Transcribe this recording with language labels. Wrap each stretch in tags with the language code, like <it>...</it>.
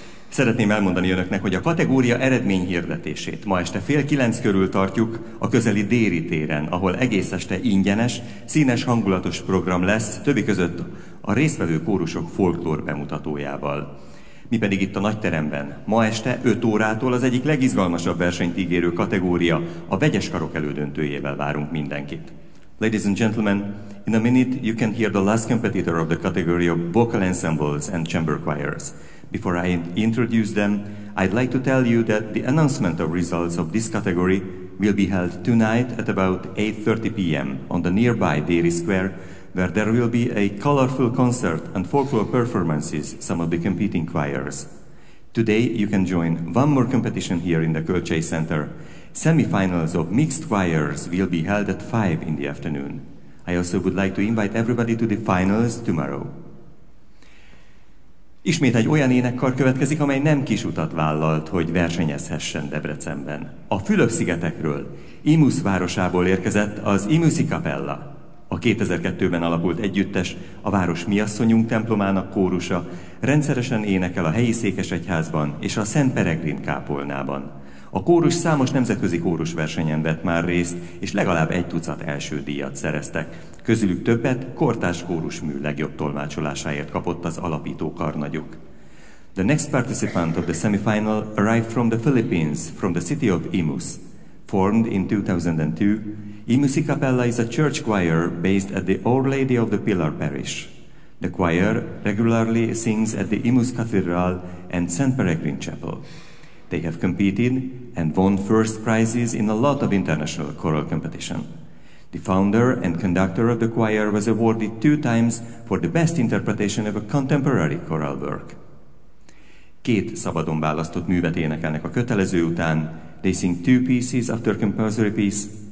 <hu>Szeretném elmondani önöknek, hogy a kategória eredményhirdetését ma este 8:30 körül tartjuk a közeli Déri téren, ahol egész este ingyenes, színes, hangulatos program lesz, többi között a résztvevő kórusok folklór bemutatójával. Mi pedig itt a nagy teremben, ma este 5 órától az egyik legizgalmasabb versenyt ígérő kategória, a vegyes karok elődöntőjével várunk mindenkit.</hu> <en>Ladies and gentlemen, in a minute you can hear the last competitor of the category of vocal ensembles and chamber choirs. Before I introduce them, I'd like to tell you that the announcement of results of this category will be held tonight at about 8:30 p.m. on the nearby Déri Square, where there will be a colorful concert and folklore performances some of the competing choirs. Today you can join one more competition here in the Kölcsey Center. Semifinals of mixed choirs will be held at 5 in the afternoon. I also would like to invite everybody to the finals tomorrow.</en> <hu>Ismét egy olyan énekkar következik, amely nem kis utat vállalt, hogy versenyezhessen Debrecenben. A Fülöp-szigetekről, Imus városából érkezett az Imuszi Kapella. A 2002-ben alapult együttes, a Város Miasszonyunk templomának kórusa rendszeresen énekel a helyi székesegyházban és a Szent Peregrin kápolnában. A kórus számos nemzetközi kórusversenyen vett már részt, és legalább 1 tucat első díjat szereztek. Közülük többet kortárs kórusmű legjobb tolmácsolásáért kapott az alapító karnagyuk.</hu> <en>The next participant of the semifinal arrived from the Philippines, from the city of Imus. Formed in 2002, Imuszi Kapella is a church choir based at the Our Lady of the Pillar Parish. The choir regularly sings at the Imus Cathedral and St. Peregrine Chapel. They have competed and won first prizes in a lot of international choral competition. The founder and conductor of the choir was awarded 2 times for the best interpretation of a contemporary choral work.</en> <hu>2 szabadon választott művet énekelnek a kötelező után.</hu> <en>They sing 2 pieces after compulsory piece.</en>